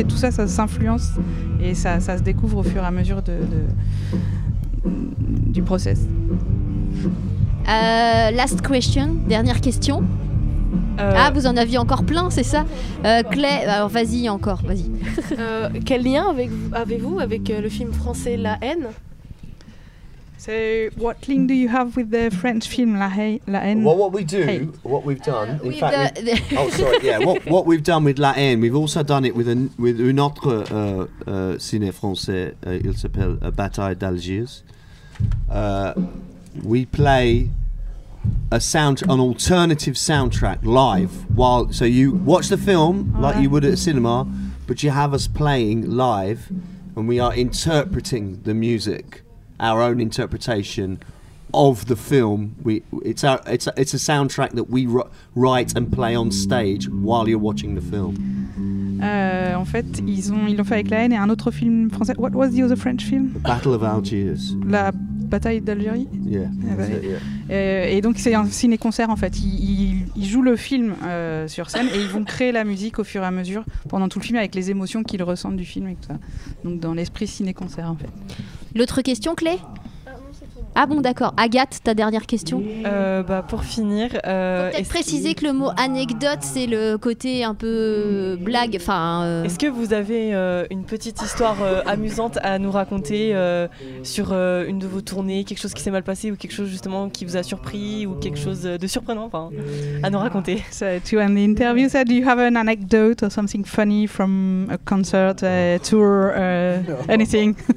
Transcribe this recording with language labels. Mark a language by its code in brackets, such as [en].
[fr] et tout ça, ça s'influence et ça, ça se découvre au fur et à mesure du process. [en] Last question, [fr] dernière question. Ah, vous en aviez encore plein, c'est ça, Clay, alors vas-y encore, vas-y. Quel lien avez-vous avec le film français La Haine? [en] So, what link do you have with the French film La Haine? Well, what we do, what we've done, in fact, what we've done with La Haine, we've also done it with [fr] une autre ciné français, il s'appelle Bataille d'Algiers. [en] We play an alternative soundtrack live, while so you watch the film like you would at a cinema, but you have us playing live, and we are interpreting the music. Our own interpretation of the film. It's a soundtrack that we write and play on stage while you're watching the film. [fr] En fait, ils l'ont fait avec La Haine et un autre film français. [en] What was the other French film? The Battle of Algiers. [fr] La bataille d'Algérie. [en] Yeah. [fr] Et donc c'est un ciné-concert en fait. Ils jouent le film sur scène et ils vont créer la musique au fur et à mesure pendant tout le film avec les émotions qu'ils ressentent du film et tout ça. Donc dans l'esprit ciné-concert en fait. L'autre question, Clé? Ah bon, d'accord. Agathe, ta dernière question? Pour finir... Peut-être préciser que le mot anecdote, c'est le côté un peu blague. Enfin, Est-ce que vous avez une petite histoire amusante à nous raconter sur une de vos tournées, quelque chose qui s'est mal passé ou quelque chose justement qui vous a surpris ou quelque chose de surprenant à nous raconter? [en] So, to end the interview, so, do you have an anecdote or something funny from a concert, a tour, anything?